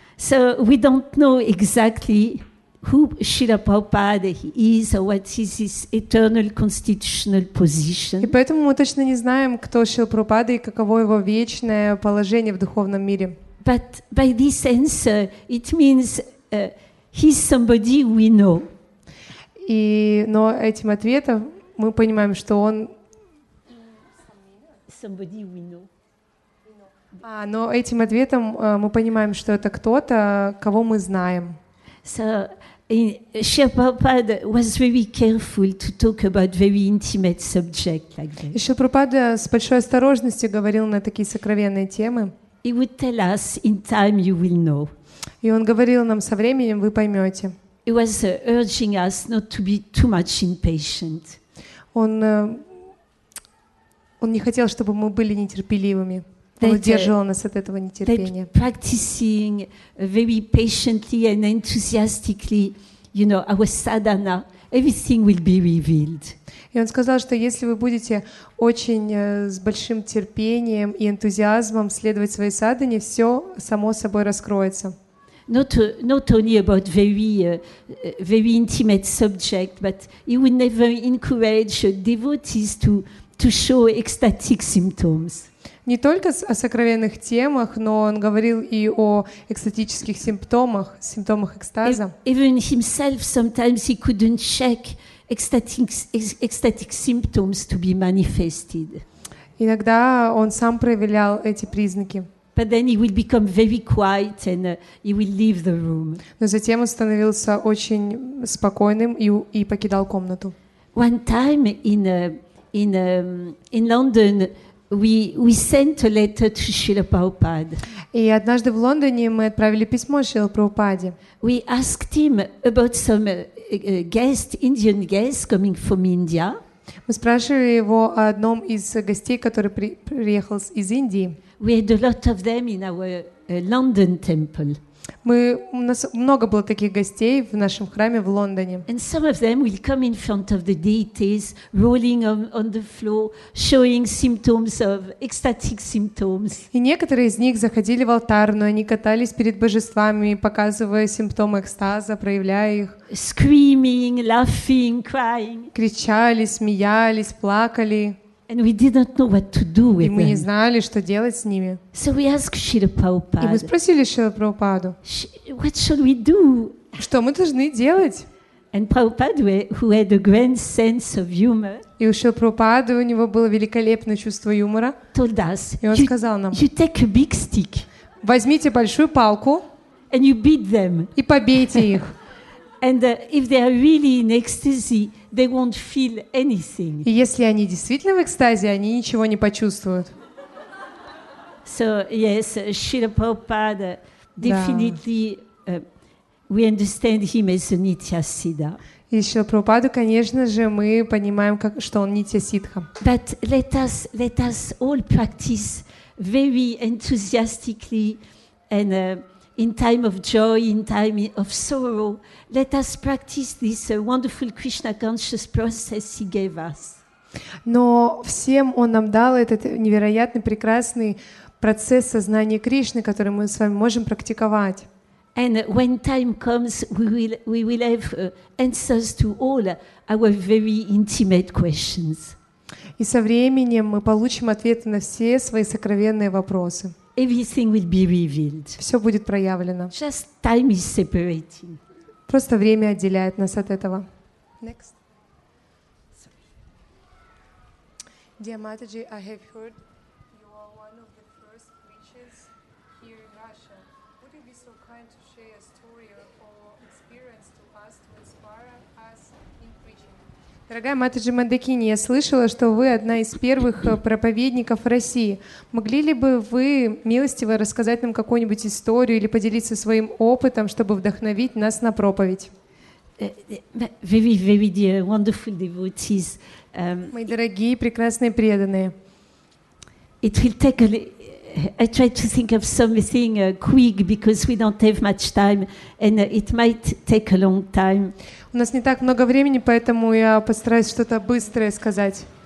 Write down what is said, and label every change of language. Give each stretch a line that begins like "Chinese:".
English: So we don't know exactly who Srila Prabhupada is or what is his eternal constitutional position.
Russian: И поэтому мы точно не знаем, кто Шрила Прабхупада и каково его вечное положение в духовном мире.
English: But by this answer, it means he's somebody we know.
Russian: И, но этим ответом мы понимаем, что он...
English: Somebody we know.
Russian: А, но этим ответом мы понимаем, что это кто-то, кого мы знаем.
English: So, Srila Prabhupada was very careful to talk about very intimate subjects like that.
Russian: Srila Prabhupada с большой осторожностью говорил на такие сокровенные темы.
English: He would tell us, in time you will know.
Russian: И он говорил нам, со временем вы поймете.
English: He was urging us not to be too much impatient.
Russian: Он не хотел, чтобы мы были нетерпеливыми. Он удерживал нас от этого нетерпения.
English: That practicing very patiently and enthusiastically, you know, our sadhana, everything will be revealed.
Russian: И он сказал, что если вы будете очень с большим терпением и энтузиазмом следовать своей садхане, все само собой раскроется.
English: Not only about very intimate subject, but he would never encourage devotees to show ecstatic symptoms.
Russian: Не только о сокровенных темах, но он говорил и о экстатических симптомах, симптомах экстаза.
English: Even himself sometimes he couldn't check ecstatic symptoms to be manifested.
Russian: Иногда он сам проявлял эти признаки.
English: But then he will become very quiet and he will leave the room.
Russian: Но затем он становился очень спокойным и покидал комнату.
English: One time in London we sent a letter to Srila Prabhupada.
Russian: И однажды в Лондоне мы отправили письмо Шриле Прабхупаде.
English: We asked him about some Indian guests coming from India.
Russian: Мы спрашивали его о одном из гостей, который приехал из Индии.
English: We had a lot of them in our London temple.
Russian: У нас много было таких гостей в нашем храме в Лондоне.
English: And some of them will come in front of the deities, rolling on the floor, showing symptoms of ecstatic symptoms.
Russian: И некоторые из них заходили в алтарную, они катались перед божествами, показывая симптомы экстаза, проявляя их.
English: Screaming, laughing, crying.
Russian: Кричали, смеялись, плакали.
English: And we did not know what to do with them.
Russian: И мы не знали, что делать с ними.
English: So we asked Srila Prabhupada.
Russian: И мы спросили Шрилу Прабхупаду.
English: What shall we do?
Russian: Что мы должны делать?
English: And Prabhupada, who had a grand sense of humor.
Russian: И у Шрилы Прабхупады у него было великолепное чувство юмора.
English: Told us.
Russian: И он сказал нам.
English: You take a big stick.
Russian: Возьмите большую палку.
English: And you beat them.
Russian: И побейте их.
English: And if they are really in ecstasy, they won't feel anything.
Russian: И если они действительно в экстазе, они ничего не почувствуют.
English: So yes, Srila Prabhupada definitely we understand him as a Nitya Siddha.
Russian: И Шрила Прабхупаду, конечно же, мы понимаем, что он Нитья Сиддха.
English: But let us all practice very enthusiastically and in time of joy, in time of sorrow, let us practice this wonderful Krishna conscious process he gave us.
Russian: Но всем он нам дал этот невероятный прекрасный процесс сознания Кришны, который мы с вами можем практиковать.
English: And when time comes, we will have answers to all our very intimate questions.
Russian: И со временем мы получим ответы на все свои сокровенные вопросы.
English: Everything will be revealed.
Russian: Все будет проявлено.
English: Just time is separating.
Russian: Просто время отделяет нас от этого.
English: Next. Dear Mataji, I have heard you are one of the first preachers here in Russia. Would you be so kind to share a story or experience to us to inspire us in preaching?
Russian: Дорогая Матаджи Мандакини, я слышала, что вы одна из первых проповедников России. Могли ли бы вы милостиво рассказать нам какую-нибудь историю или поделиться своим опытом, чтобы вдохновить нас на проповедь?
English: Very, very dear, wonderful devotees.
Russian: Мои дорогие, прекрасные преданные.
English: It will take I try to think of something quick because we don't have much time and it might take a long time.
Russian: У нас не так много времени, поэтому я постараюсь что-то быстрое сказать.